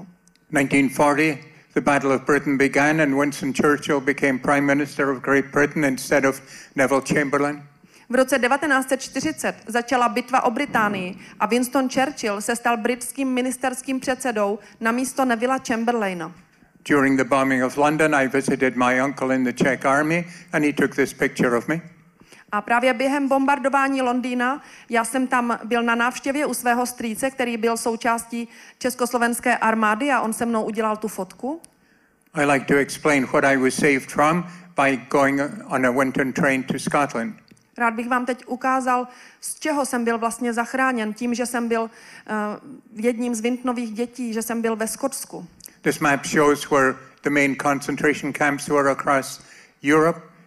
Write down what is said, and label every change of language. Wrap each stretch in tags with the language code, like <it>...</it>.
<en>1940, the Battle of Britain began and Winston Churchill became Prime Minister of Great Britain instead of Neville Chamberlain.</en> <cs>V roce 1940 začala bitva o Británii a Winston Churchill se stal britským ministerským předsedou na místo Nevillea Chamberlaina.</cs> <en>During the bombing of London, I visited my uncle in the Czech army and he took this picture of me.</en> <cs>A právě během bombardování Londýna, já jsem tam byl na návštěvě u svého strýce, který byl součástí československé armády a on se mnou udělal tu fotku.</cs> <en>I like to explain what I was saved from by going on a winter train to Scotland.</en> <cs>Rád bych vám teď ukázal, z čeho jsem byl vlastně zachráněn, tím, že jsem byl jedním z Vintnových dětí, že jsem byl ve Skotsku.</cs> <en>This map shows where the main concentration camps were across Europe.</en>